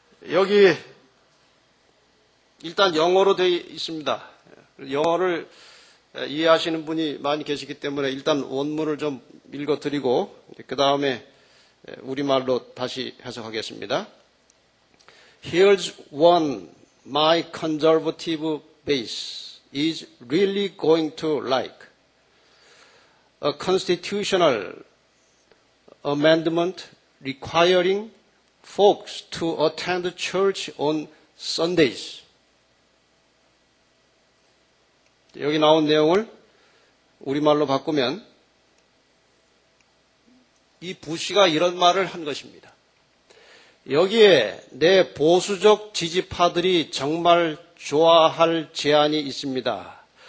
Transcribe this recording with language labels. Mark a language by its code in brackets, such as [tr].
[ko] 여기 일단 영어로 되어 있습니다. 영어를 이해하시는 분이 많이 계시기 때문에 일단 원문을 좀 읽어드리고 그 다음에 우리말로 다시 해석하겠습니다. [en] Here's one, my conservative base is really going to like a constitutional amendment requiring folks to attend church on Sundays. [ko] 여기 나온 내용을 우리말로 바꾸면 이 부시가 이런 말을 한 것입니다. 여기에 내 보수적 지지파들이 정말 좋아할 제안이 있습니다.